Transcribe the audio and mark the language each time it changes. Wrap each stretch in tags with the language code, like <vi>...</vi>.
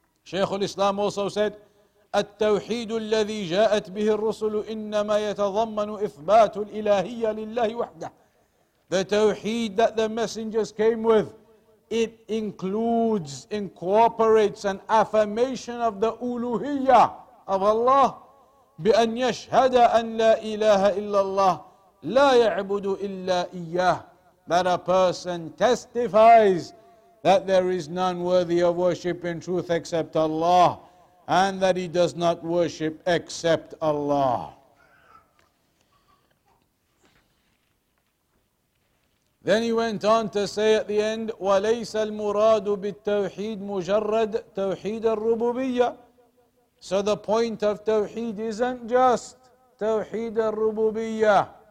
<en>Shaykh al-Islam also said,</en> <ar>التوحيد الذي جاءت به الرسل إنما يتضمن إثبات الإلهية لله وحده.</ar> <en>The tawheed that the messengers came with, it includes, incorporates an affirmation of the uluhiyya of Allah.</en> <ar>بأن يشهد أن لا إله إلا الله لا يعبد إلا إياه.</ar> <en>That a person testifies that there is none worthy of worship in truth except Allah, and that he does not worship except Allah. Then he went on to say at the end,</en> <ar>وَلَيْسَ الْمُرَادُ بِالتَّوْحِيدِ مُجَرَّدْ تَوْحِيدَ الرُّبُوبِيَّةِ.</ar> <en>So the point of tawheed isn't just tawheed al-rububiyyah.</en>